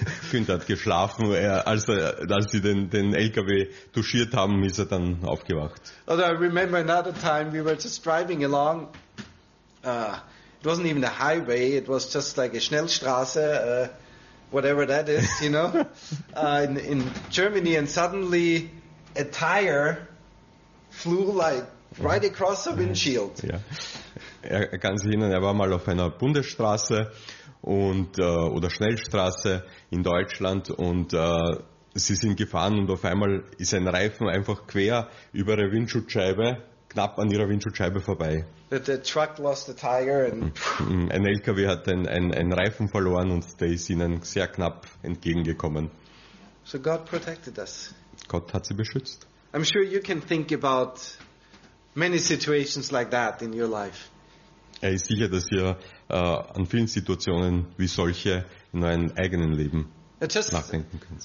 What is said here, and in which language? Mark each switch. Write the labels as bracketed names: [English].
[German] Günther hat geschlafen, als sie den LKW touchiert haben, ist er dann aufgewacht. [English] Although I remember another time we were just driving along. It wasn't even a highway, it was just like a Schnellstraße, whatever that is, you know, in Germany, and suddenly a tire flew like right across the windshield. [German] Ja. Er kann sich erinnern, er war mal auf einer Bundesstraße oder Schnellstraße in Deutschland und sie sind gefahren und auf einmal ist ein Reifen einfach quer über der Windschutzscheibe, knapp an ihrer Windschutzscheibe vorbei. [English] The truck lost the tire and [German] ein LKW hat einen Reifen verloren und der ist ihnen sehr knapp entgegengekommen. [English] So God protected us. [German] Gott hat sie beschützt. [English] I'm sure you can think about many situations like that in your life. [German] Er ist sicher, dass ihr an vielen Situationen wie solche in eurem eigenen Leben nachdenken könnt.